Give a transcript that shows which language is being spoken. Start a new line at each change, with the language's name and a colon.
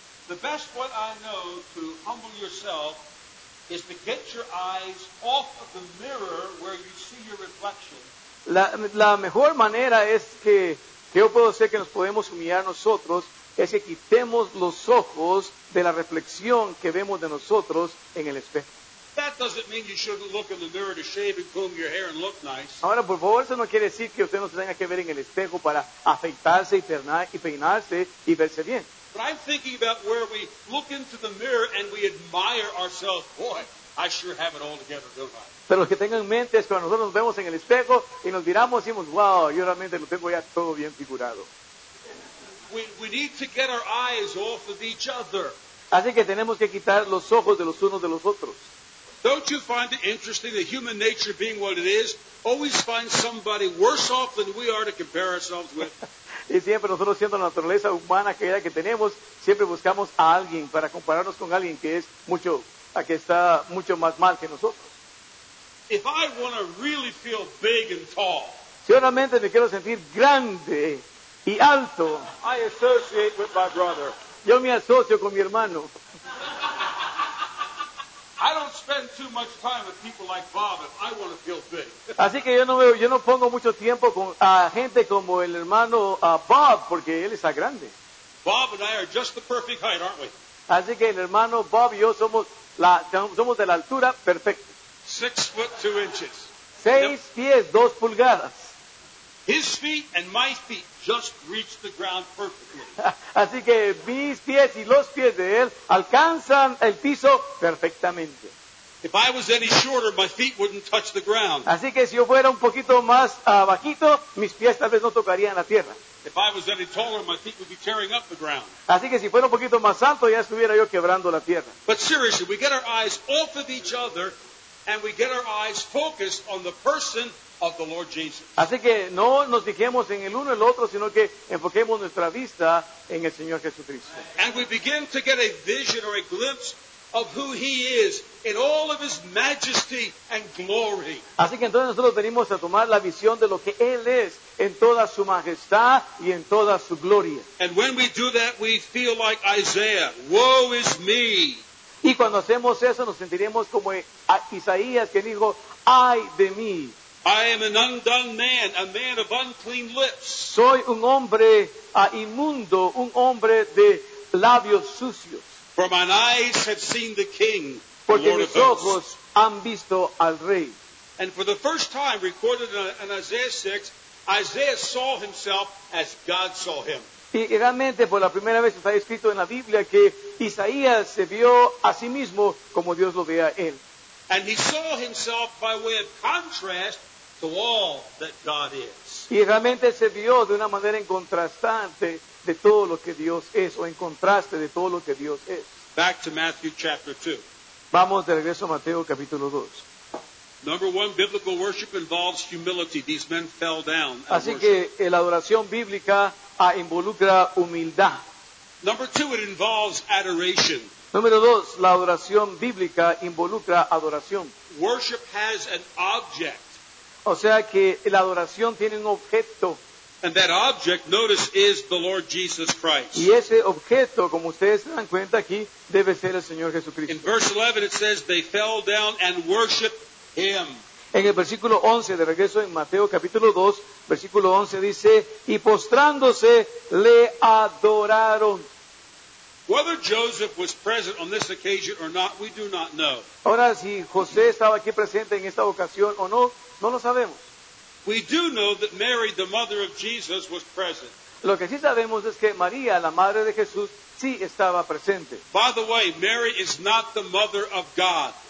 English: The best way I know to humble yourself is to get your eyes off of the mirror where you see your reflection.
Spanish: La mejor manera es que yo puedo hacer que nos podemos humillar nosotros es que quitemos los ojos de la reflexión que vemos de nosotros en el espejo.
English: That doesn't mean you shouldn't look in the mirror to shave and comb your hair and look nice.
Spanish: Ahora, por favor, eso no quiere decir que usted no se tenga que ver en el espejo para afeitarse y peinarse y verse bien.
English: But I'm thinking about where we look into the mirror and we admire ourselves. Boy, I sure have it all together, don't I?
Spanish: Pero lo que tengo en mente es cuando nosotros nos vemos en el espejo y nos miramos y decimos, wow, yo realmente lo tengo ya todo bien figurado.
English: We need to get our eyes off of each other.
Spanish: Así que tenemos que quitar los ojos de los unos de los otros.
English: Don't you find it interesting that human nature being what it is, always finds somebody worse off than we are to compare ourselves with?
Spanish: Y siempre nosotros siendo la naturaleza humana que era que tenemos, siempre buscamos a alguien para compararnos con alguien que es mucho, a que está mucho más mal que nosotros.
English: If I want to really feel big and tall,
Spanish: si realmente me quiero sentir grande y alto,
English: I associate with my brother.
Spanish: Yo me asocio con mi hermano.
English: I don't spend too much time with people like Bob if I want to feel big.
Spanish: Así que yo no pongo mucho tiempo con gente como el hermano Bob porque él está grande.
English: Bob and I are just the perfect height, aren't we?
Spanish: Así que el hermano Bob y yo somos de la altura perfecta.
English: 6'2".
Spanish: 6 pies 2 pulgadas.
English: His feet and my feet just reach the ground perfectly.
Spanish: Así que mis pies y los pies de él alcanzan el piso perfectamente.
English: If I was any shorter, my feet wouldn't touch the ground.
Spanish: Así que si yo fuera un poquito más bajito, mis pies tal vez no tocarían la tierra.
English: If I was any taller, my feet would be tearing up the ground.
Spanish: Así que si fuera un poquito más alto, ya estuviera yo quebrando la tierra.
English: But seriously, we get our eyes off of each other, and we get our eyes focused on the person of the Lord Jesus.
Spanish: Así que no nos fijemos en el uno el otro, sino que enfoquemos nuestra vista en el Señor Jesucristo.
English: And we begin to get a vision or a glimpse of who He is in all of His majesty and glory.
Spanish: Así que entonces nosotros venimos a tomar la visión de lo que Él es en toda su majestad y en toda su gloria.
English: And when we do that, we feel like Isaiah, woe is me.
Spanish: Y cuando hacemos eso, nos sentiremos como Isaías, quien dijo, ay de mí.
English: I am an undone man, a man of unclean lips.
Spanish: Soy un hombre inmundo, un hombre de labios sucios.
English: For mine eyes have seen the King,
Spanish: porque
English: Lord
Spanish: mis ojos han visto al Rey.
English: And for the first time recorded in Isaiah 6, Isaiah saw himself as God saw him.
Spanish: Y realmente por la primera vez está escrito en la Biblia que Isaías se vio a sí mismo como Dios lo veía a él.
English: And he saw himself by way of contrast to all that God is.
Spanish: Y realmente se vio de una manera en contrastante de todo lo que Dios es, o en contraste de todo lo que Dios es.
English: Back to Matthew chapter 2.
Spanish: Vamos de regreso a Mateo capítulo 2.
English: Number one, biblical worship involves humility. These men fell down and worshiped.
Spanish: Así que la adoración bíblica involucra humildad.
English: Number two, it involves adoration.
Spanish: Número dos, la adoración bíblica involucra adoración.
English: Worship has an object.
Spanish: O sea que la adoración tiene un objeto.
English: And that object, notice, is the Lord Jesus Christ.
Spanish: Y ese objeto, como ustedes se dan cuenta aquí, debe ser el Señor Jesucristo.
English: In verse 11 it says, they fell down and worshiped Him.
Spanish: En el versículo 11, de regreso en Mateo capítulo 2, versículo 11 dice, y postrándose le adoraron.
English: Whether Joseph was present on this occasion or not, we do not know.
Spanish: Ahora, si José estaba aquí presente en esta ocasión o no, no lo sabemos.
English: We do know that Mary, the mother of Jesus, was present.
Spanish: Lo que sí sabemos es que María, la madre de Jesús, sí estaba presente.
English: By the way, Mary is not the mother of God.